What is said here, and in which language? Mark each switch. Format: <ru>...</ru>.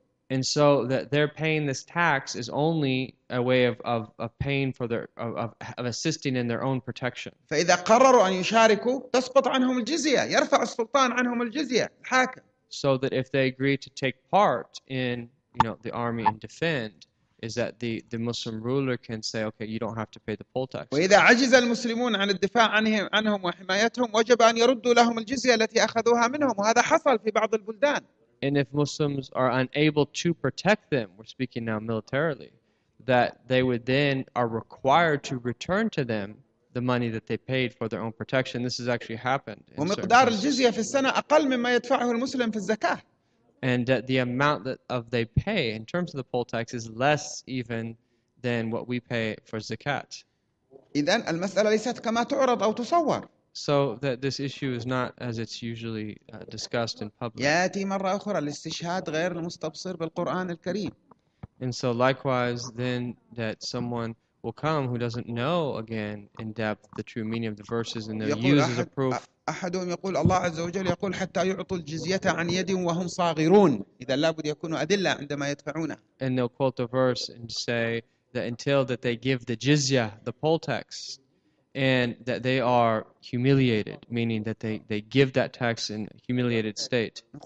<en>And so that they're paying this tax is only a way of paying for their of assisting in their own protection.</en> <ar>فإذا قرروا أن يشاركوا تسقط عنهم الجزية، يرفع السلطان عنهم الجزية، الحاكم.</ar> <en>So that if they agree to take part in, you know, the army and defend, is that the Muslim ruler can say, okay, you don't have to pay the poll tax.</en> <ar>وإذا عجز المسلمون عن الدفاع عنهم وحمايتهم وجب أن يردوا لهم الجزية التي أخذوها منهم، وهذا حصل في بعض البلدان.</ar> <en>And if Muslims are unable to protect them, we're speaking now militarily, that they would then are required to return to them the money that they paid for their own protection. This has actually happened.</en> <ar>ومقدار الجزية في السنة أقل مما يدفعه المسلم في الزكاة.</ar> <en>And the amount that of they pay in terms of the poll tax is less even than what we pay for zakat.</en> <ar>إذن المسألة ليست كما تعرض أو تصور.</ar> <en>So that this issue is not as it's usually discussed in public.</en> <ar>يأتي مرة أخرى الاستشهاد غير المستبصر بالقرآن الكريم.</ar> <en>And so likewise then that someone will come who doesn't know again in depth the true meaning of the verses and they'll use as a proof.</en> <ar>أحدهم يقول الله عز وجل يقول حتى يعطوا الجزية عن يد وهم صاغرون. إذا لابد يكونوا أدلة عندما يدفعونه.</ar> <en>And they'll quote the verse and say that until that they give the jizya, the poll tax, and that they are humiliated, meaning that they give that tax in a humiliated state.</en>